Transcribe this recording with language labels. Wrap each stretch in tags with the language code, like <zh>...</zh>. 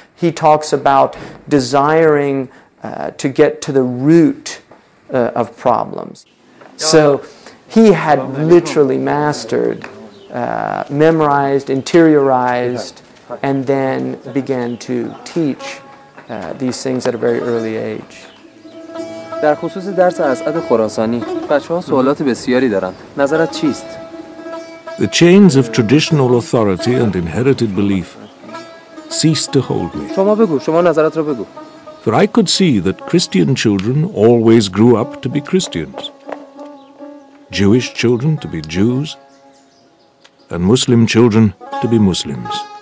<en>He talks about desiring to get to the root of problems. So he had literally mastered, memorized, interiorized, and then began to teach these things at a very early age.</en> <fa>در خصوص درس اسعد خراسانی، بچه‌ها سوالات بسیاری دارند. نظرت چیست؟</fa> <en>The chains of traditional authority and inherited belief ceased to hold me.</en> <fa>شما نظرت را بگو.</fa> <en>For I could see that Christian children always grew up to be Christians. Jewish children to be Jews, and Muslim children to be Muslims.</en>